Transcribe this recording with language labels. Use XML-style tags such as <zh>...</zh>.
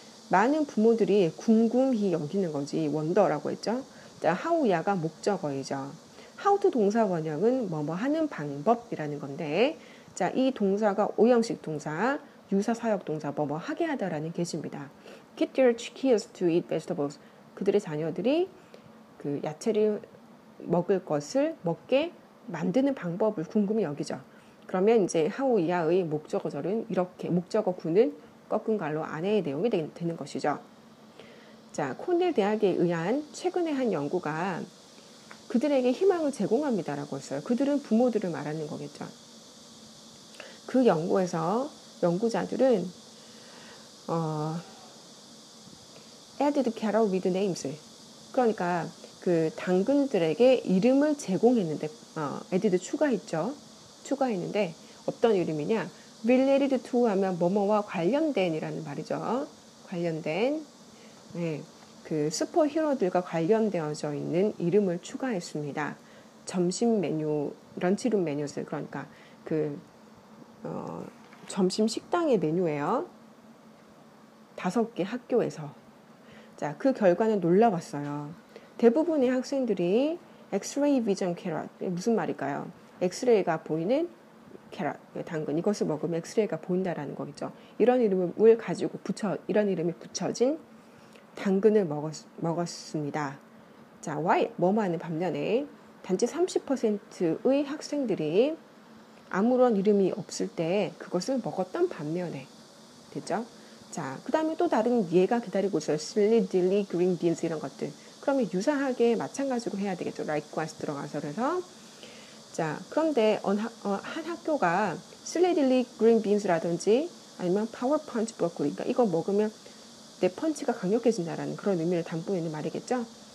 <ko>많은 부모들이 궁금히 여기는 거지, 원더라고 했죠. 자, 하우야가 목적어이죠. 하우트 동사 원형은 뭐뭐 하는 방법이라는 건데, 자, 이 동사가 오형식 동사, 유사 사역 동사, 뭐뭐 하게 하다라는 계시입니다.</ko> <en>Get your kids to eat vegetables.</en> <ko>그들의 자녀들이 그 야채를 먹을 것을 먹게 만드는 방법을 궁금히 여기죠. 그러면 이제 하우 이하의 목적어절은 이렇게 목적어 구는 꺾은 갈로 안에의 내용이 되는 것이죠. 자, 코넬 대학에 의한 최근의 한 연구가 그들에게 희망을 제공합니다라고 했어요. 그들은 부모들을 말하는 거겠죠. 그 연구에서 연구자들은</ko> <en>added cattle with names.</en> <ko>그러니까 그 당근들에게 이름을 제공했는데</ko> <en>added</en> <ko>추가했죠. 추가했는데 어떤 이름이냐?</ko> <en>related to</en> <ko>하면 뭐뭐와 관련된이라는 말이죠. 관련된. 네. 그 슈퍼히어로들과 관련되어져 있는 이름을 추가했습니다. 점심 메뉴, 런치룸 메뉴스. 그러니까 그 점심 식당의 메뉴예요. 5개 학교에서. 자, 그 결과는 놀라웠어요. 대부분의 학생들이</ko> <en>X-ray vision carrot,</en> <ko>무슨 말일까요? 엑스레이가 보이는 캐럿, 당근, 이것을 먹으면 엑스레이가 보인다라는 거겠죠. 이런 이름을 가지고 이런 이름이 붙여진 당근을 먹었습니다.</ko> <en>자, why?</en> <ko>뭐하는 반면에 단지 30%의 학생들이 아무런 이름이 없을 때 그것을 먹었던 반면에. 됐죠? 자, 그 다음에 또 다른 예가 기다리고 있어요.</ko> <en>Silly, dilly, green beans</en> <ko>이런 것들. 그러면 유사하게 마찬가지로 해야 되겠죠.</ko> <en>Likewise</en> <ko>들어가서. 그래서 자, 그런데 한 학교가 슬레딜리 그린 빈스라든지 아니면 파워 펀치 브로콜리가 이거 먹으면 내 펀치가 강력해진다라는 그런 의미를 담고 있는 말이겠죠.</ko>